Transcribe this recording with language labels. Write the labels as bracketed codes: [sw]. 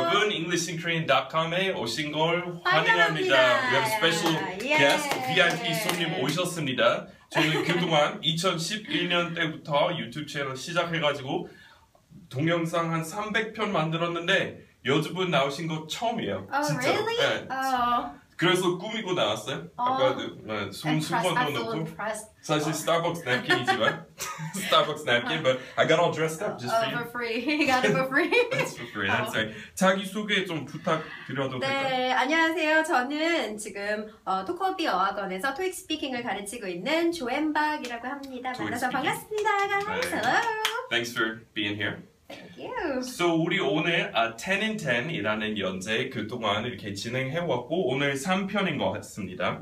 [ko] English인Korean.com에 오신 걸 환영합니다. [en] We have a special guest, VIP [ko] 손님 오셨습니다. 저는 그동안 2011년 때부터 유튜브 채널 시작해가지고 동영상 한 300편 만들었는데 요즘은 나오신 거 처음이에요. [en] Oh, [ko] 진짜. [en] Really? 네. Oh. [ko] 그래서 꾸미고 나왔어요. 아까도 손수건도 넣고. 사실 스타벅스 냅킨이지만. 스타벅스 냅킨, [en] but I got all dressed up just for you. For free. You got it for free. That's for free. That's right. [ko] 자기소개 좀 부탁드려도 네, 될까요? 네, 안녕하세요. 저는 지금 토커비 어학원에서 토익 스피킹을 가르치고 있는 조앤박이라고 합니다. 만나서 speaking. 반갑습니다. [en] Guys. Hello. Thanks for being here. Thank you. [ko] So 우리 오늘 10 in 10이라는 연재 그동안 이렇게 진행해왔고 오늘 3편인 것 같습니다.